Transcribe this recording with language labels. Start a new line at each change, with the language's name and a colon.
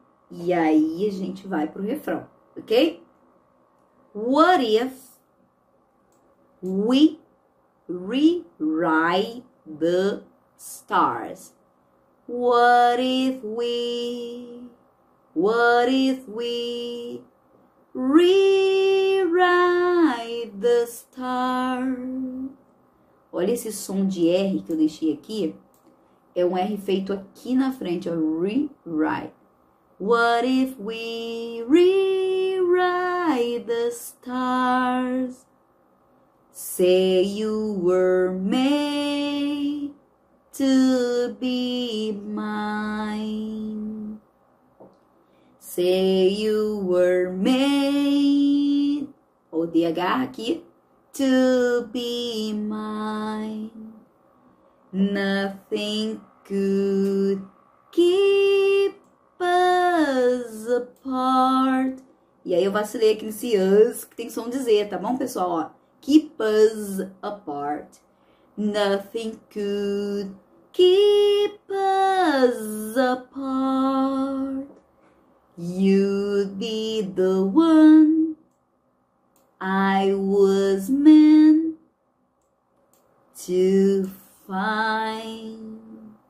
Portuguese: E aí a gente vai pro refrão, ok?
English: What if we rewrite the stars? What if we, what if we rewrite the stars?
Portuguese: Olha esse som de R que eu deixei aqui. É um R feito aqui na frente, ó.
English: Rewrite. What if we rewrite the stars? Say you were made to be mine. Say you were made,
Portuguese: ou DH aqui,
English: to be mine. Nothing could keep us apart.
Portuguese: E aí eu vacilei aqui nesse us, que tem som de Z, tá bom, pessoal? Ó.
English: Keep us apart. Nothing could keep us apart. You'd be the one I was meant to find.